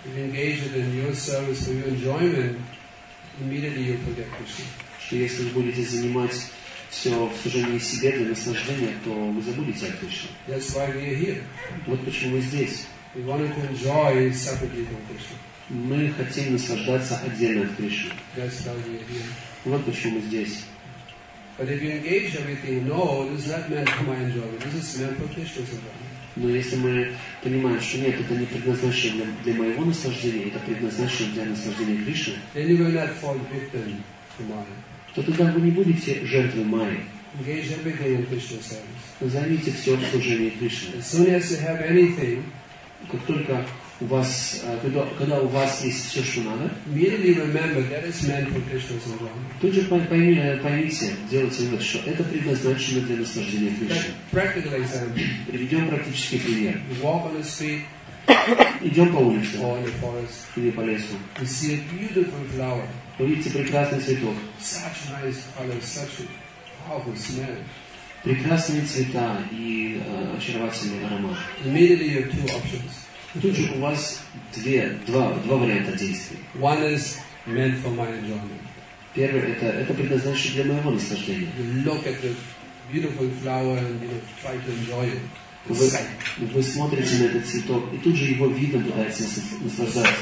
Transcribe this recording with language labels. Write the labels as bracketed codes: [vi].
[en] Engage in your service for your enjoyment, immediately you forget Krishna. [ru] Что если вы будете занимать все в служении себе для наслаждения, то вы забудете о Кришне. [en] That's why we are here. [ru] Вот почему мы здесь. [en] We wanted to enjoy separately from Krishna. [ru] Мы хотим наслаждаться отдельно от Кришны. [en] That's why we are here. [ru] Вот почему мы здесь. [en] But if you engage everything, no, this is not meant for my enjoyment. This is meant for Krishna's enjoyment. [ru] Но если мы понимаем, что нет, это не предназначено для моего наслаждения, это предназначено для наслаждения Кришны. [en] Then you will not fall victim to Maya. [ru] То тогда вы не будете жертвой Майи. [en] Engage everything in Krishna's service. [ru] Займите все в служении Кришне. [en] As soon as you have anything, [ru] как только у вас, когда у вас есть все, что надо, [en] immediately remember that it's meant for Krishna's enjoyment. [ru] Тут же поймите, делайте вывод, что это предназначено для наслаждения Кришны. [en] Practical example. [ru] Приведем практический пример. [en] You walk on the street, [ru] идем по улице, [en] or in the forest, [ru] или по лесу. [en] You see a beautiful flower. [ru] Вы видите прекрасный цветок. [en] Such nice color, such a powerful smell. [ru] Прекрасные цвета и очаровательный аромат. [en] Immediately you have two options. [ru] Тут же у вас два варианта действий. [en] One is meant for my enjoyment. [ru] Первый это предназначено для моего наслаждения. [en] You look at the beautiful flower and you try to enjoy it. [ru] Вы смотрите на этот цветок и тут же его видом пытаетесь наслаждаться.